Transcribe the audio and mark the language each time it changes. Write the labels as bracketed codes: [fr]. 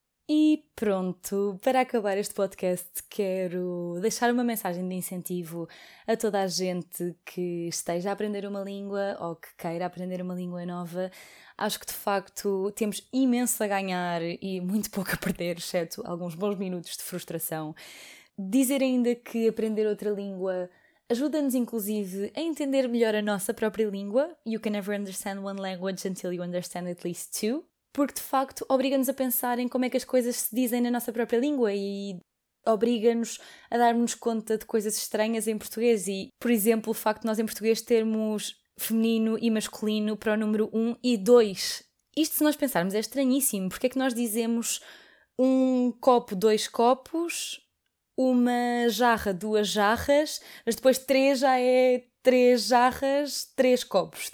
[pt] E pronto, para acabar este podcast quero deixar uma mensagem de incentivo a toda a gente que esteja a aprender uma língua ou que queira aprender uma língua nova. Acho que de facto temos imenso a ganhar e muito pouco a perder, exceto alguns bons minutos de frustração. dizer ainda que aprender outra língua ajuda-nos, inclusive, a entender melhor a nossa própria língua. [en] You can never understand one language until you understand at least two. [pt] Porque, de facto, obriga-nos a pensar em como é que as coisas se dizem na nossa própria língua e obriga-nos a darmos conta de coisas estranhas em português. E, por exemplo, o facto de nós em português termos feminino e masculino para o número 1 e 2. Isto, se nós pensarmos, é estranhíssimo. Porque é que nós dizemos um copo, dois copos, uma jarra, duas jarras, mas depois três já é três jarras, três copos.